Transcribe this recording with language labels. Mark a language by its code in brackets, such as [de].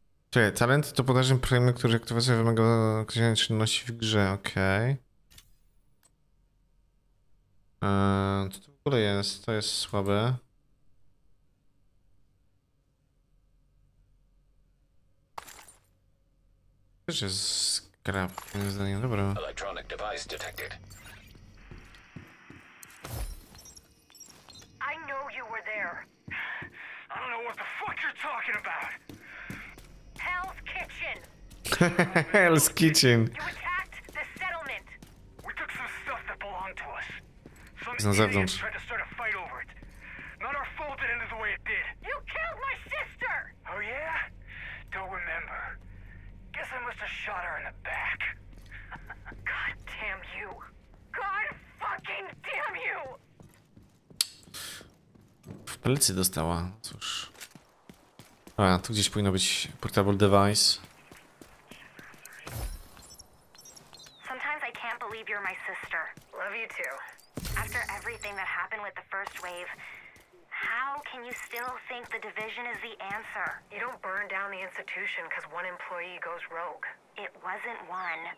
[pl] Czyli talent to podażny premium, który aktywacja wymaga określonej czynności w grze, okej. Okay. Co to w ogóle jest? To jest słabe. To jest skrap, moim zdaniem, dobra. [en] Electronic device detected. I know you were there. I don't know what the fuck you're talking about. Hell's Kitchen. Hell's Kitchen. You attacked the settlement. We took some stuff that belonged to us. Some idiots tried to start a fight over it. Not our fault it ended the way it did. You killed my sister! Oh yeah? Don't remember. Guess I must have shot her in the back. God damn you. God fucking damn you! [pl] W plecy dostała, cóż. A, tu gdzieś powinno być portable device. [en] Sometimes I can't believe you're my sister. Love you too. After everything that happened with the first wave, how can you still think the division is the answer? You don't burn down the institution because one employee goes rogue. It wasn't one.